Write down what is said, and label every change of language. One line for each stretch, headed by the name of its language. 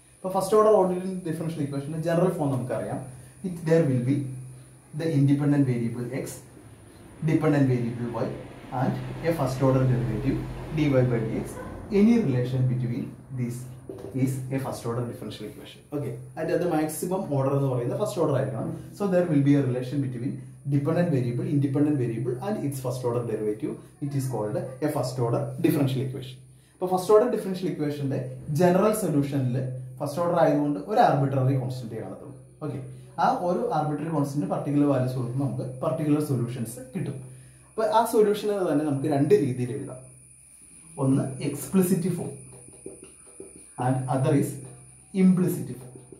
Malayalam: ഇപ്പോൾ first order ordinary differential ഇക്വേഷൻ്റെ general form നമുക്കറിയാം.
English: It there will be the independent variable X, dependent variable Y and a first order derivative D Y by D X. Any relation between these is a first order differential equation.
Malayalam: Okay, at അത് maximum order എന്ന് പറയുന്നത് first order ആയിരിക്കണം.
English: So there will be a relation between dependent variable, independent variable and its first order derivative. It is called a first order differential equation.
Malayalam: അപ്പോൾ first order differential ഇക്വേഷൻ്റെ general സൊല്യൂഷനിൽ first order ആയതുകൊണ്ട് ഒരു arbitrary constant കാണത്തുള്ളൂ. Okay, ആ ഒരു arbitrary constant particular values കൊടുക്കുമ്പോൾ നമുക്ക് particular solutions കിട്ടും. അപ്പോൾ ആ സൊല്യൂഷനിൽ തന്നെ നമുക്ക് രണ്ട് രീതിയിൽ എഴുതാം. ഒന്ന് explicit form
English: And other is implicit form.